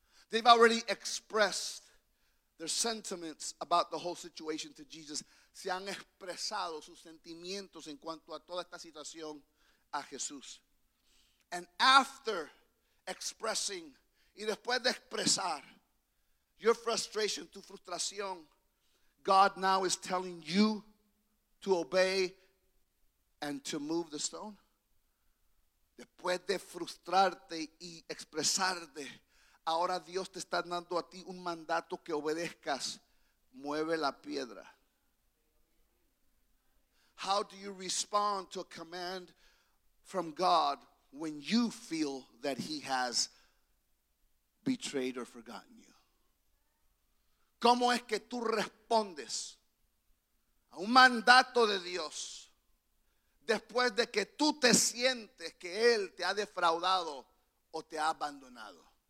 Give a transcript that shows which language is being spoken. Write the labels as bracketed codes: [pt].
[en] They've already expressed their sentiments about the whole situation to Jesus. [es] Se han expresado sus sentimientos en cuanto a toda esta situación a Jesús. [en] And after expressing, [es] y después de expresar [en] your frustration, [es] tu frustración, [en] God now is telling you to obey and to move the stone. [es] Después de frustrarte y expresarte, ahora Dios te está dando a ti un mandato que obedezcas. Mueve la piedra. [en] How do you respond to a command from God when you feel that he has betrayed or forgotten you? [es] ¿Cómo es que tú respondes a un mandato de Dios después de que tú te sientes que él te ha defraudado o te ha abandonado?